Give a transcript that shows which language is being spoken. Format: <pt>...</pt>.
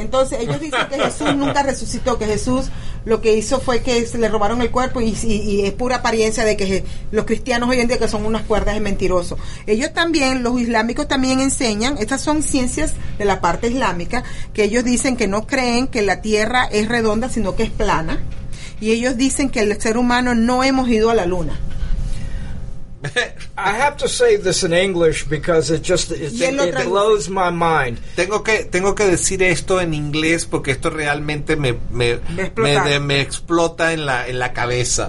<es>Entonces, ellos dicen que Jesús nunca resucitó, que Jesús lo que hizo fue que le robaron el cuerpo y es pura apariencia de que los cristianos hoy en día que son unas cuerdas de mentirosos. Ellos también, los islámicos también enseñan, estas son ciencias de la parte islámica, que ellos dicen que no creen que la Tierra es redonda, sino que es plana, y ellos dicen que el ser humano no hemos ido a la Luna.</es> <en>I have to say this in English because it blows my mind.</en> <es>Tengo que decir esto en inglés porque esto realmente me explota en la cabeza.</es>